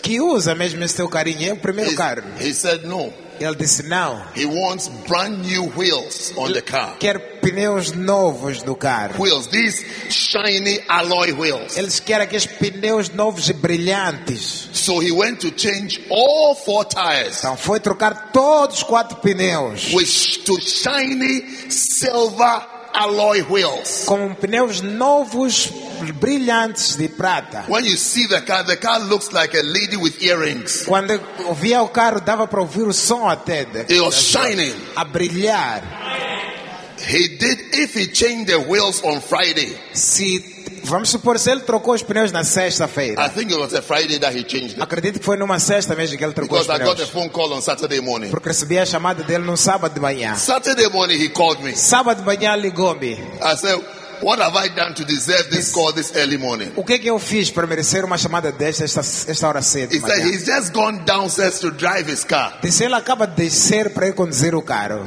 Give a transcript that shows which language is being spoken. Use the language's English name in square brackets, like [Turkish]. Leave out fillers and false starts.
[Portuguese] Que usa mesmo este carrinho, é o primeiro carro. [English] He said no. [Portuguese] Ele disse não. [English] He wants brand new wheels on the car. [Portuguese] Quer pneus novos no carro. [English] Wheels, these shiny alloy wheels. [Portuguese] Eles querem aqueles pneus novos e brilhantes. [English] So he went to change all four tires. [Portuguese] Então foi trocar todos os quatro pneus. [English] To shiny silver alloy wheels. [Portuguese] Com pneus novos brilhantes de prata. [English] When you see the car looks like a lady with earrings. [Portuguese] Quando ouvia o carro dava para ouvir o som até. [English] It was shining. [Portuguese] A brilhar. [English] He did if he changed the wheels on Friday. [Portuguese] Se, vamos supor se ele trocou os pneus na sexta-feira. [English] I think it was a Friday that he changed it. [Portuguese] Acredito que foi numa sexta mesmo que ele trocou [English] because [Portuguese] os pneus. [English] Because I got a phone call on Saturday morning. [Portuguese] Porque recebi a chamada dele no sábado de manhã. [English] Saturday morning he called me. [Portuguese] Sábado de manhã ligou-me. [English] I said, what have I done to deserve this call this early morning? [Portuguese] O que é que eu fiz para merecer uma chamada desta esta hora cedo? [English] He said he's just gone downstairs to drive his car. [Portuguese] Disse ele acaba de descer para ir conduzir o carro.